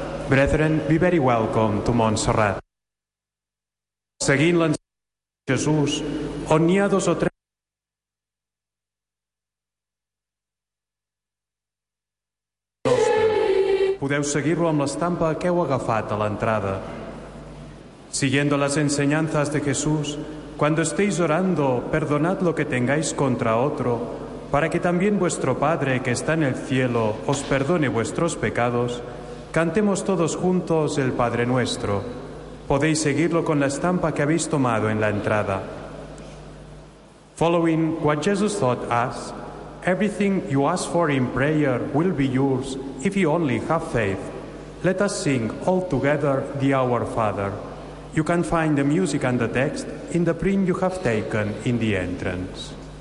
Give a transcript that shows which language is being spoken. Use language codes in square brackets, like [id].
[en] Brethren, be very welcome to Montserrat. [ca] Seguint l'ensenyament de Jesús, on n'hi ha dos o tres... Podeu seguir-lo amb l'estampa que heu agafat a l'entrada. [es] Siguiendo las enseñanzas de Jesús, cuando estéis orando, perdonad lo que tengáis contra otro, para que también vuestro Padre que está en el cielo os perdone vuestros pecados, cantemos todos juntos el Padre Nuestro. Podéis seguirlo con la estampa que habéis tomado en la entrada. [en] Following what Jesus taught us, everything you ask for in prayer will be yours if you only have faith. Let us sing all together the Our Father. You can find the music and the text in the print you have taken in the entrance.